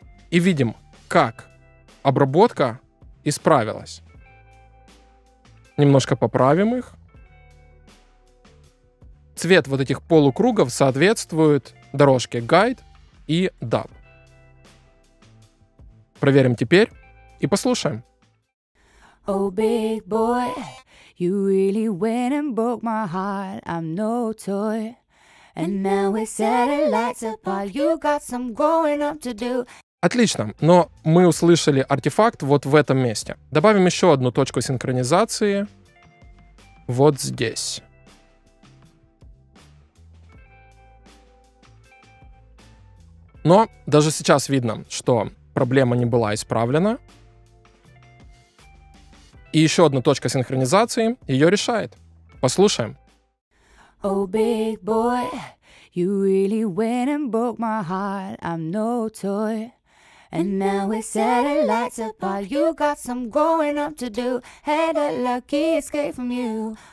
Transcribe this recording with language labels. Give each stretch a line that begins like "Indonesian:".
Russian: И видим, как обработка исправилась. Немножко поправим их. Цвет вот этих полукругов соответствует дорожке Guide и Dub. Проверим теперь. И послушаем.
English: Oh, big boy, you really went and broke my heart, I'm no toy. And now we set our lights apart, you got some growing up to do.
Russian: Отлично, но мы услышали артефакт вот в этом месте. Добавим еще одну точку синхронизации вот здесь. Но даже сейчас видно, что проблема не была исправлена. И еще одна точка синхронизации ее решает. Послушаем.
English: Oh, big boy, you really went and broke my heart, I'm no toy. And now we set our lights apart, you got some growing up to do. Had a lucky escape from you.